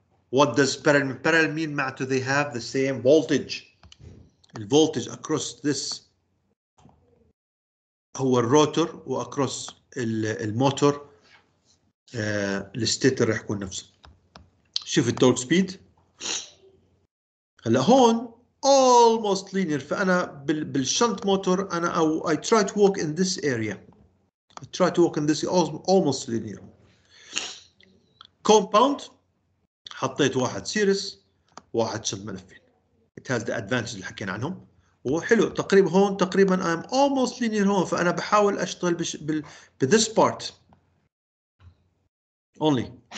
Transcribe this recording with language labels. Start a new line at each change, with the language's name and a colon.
English: What does parallel mean؟ معناته they have the same voltage.
Arabic: The voltage across this هو الروتر واكروس الموتور الستيتر راح يكون نفسه. شوف التورك سبيد هلا هون almost linear.
English: فانا بالشنط موتور انا I try to walk in this area. I try to walk in this almost linear.
Arabic: Compound حطيت واحد سيريس واحد شنط ملفين.
English: It has the advantage اللي حكينا عنهم.
Arabic: وحلو تقريبا هون تقريبا I'm almost linear هون. فأنا بحاول أشتغل بـ this part only.